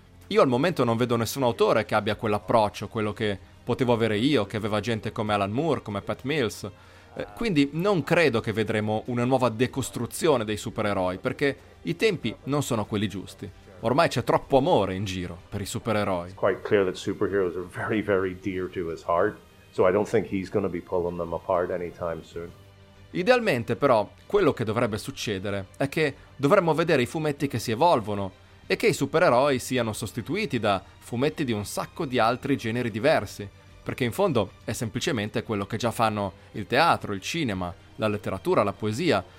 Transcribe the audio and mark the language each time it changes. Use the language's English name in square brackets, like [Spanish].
[Italian] Io al momento non vedo nessun autore che abbia quell'approccio, quello che potevo avere io, che aveva gente come Alan Moore, come Pat Mills. Quindi non credo che vedremo una nuova decostruzione dei supereroi, perché i tempi non sono quelli giusti. Ormai c'è troppo amore in giro per i supereroi. [English] È quite clear that superheroes are very, very dear to his heart, so I don't think he's gonna be pulling them apart anytime soon. [Italian] Idealmente, però, quello che dovrebbe succedere è che dovremmo vedere i fumetti che si evolvono e che i supereroi siano sostituiti da fumetti di un sacco di altri generi diversi, perché in fondo è semplicemente quello che già fanno il teatro, il cinema, la letteratura, la poesia.